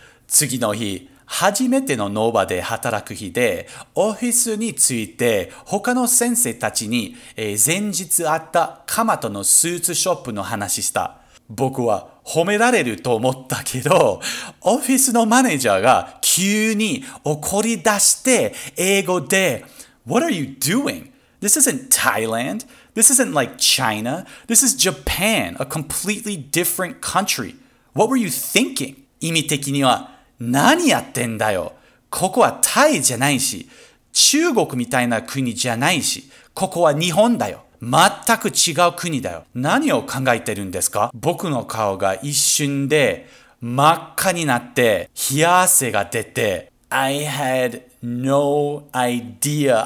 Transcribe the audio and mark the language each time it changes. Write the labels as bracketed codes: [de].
[ja] 次の日、初めての農場で働く日で、オフィスに着いて他の先生たちに、前日あった蒲田のスーツショップの話した。僕は褒められると思ったけど、オフィスのマネージャーが急に怒り出して英語で、 [en] What are you doing? This isn't Thailand. This isn't like China. This is Japan, a completely different country. What were you thinking? [ja] 意味的には何やってんだよ。ここはタイじゃないし、中国みたいな国じゃないし、ここは日本だよ。全く違う国だよ。何を考えてるんですか？僕の顔が一瞬で真っ赤になって、冷や汗が出て、 [en] I had no idea.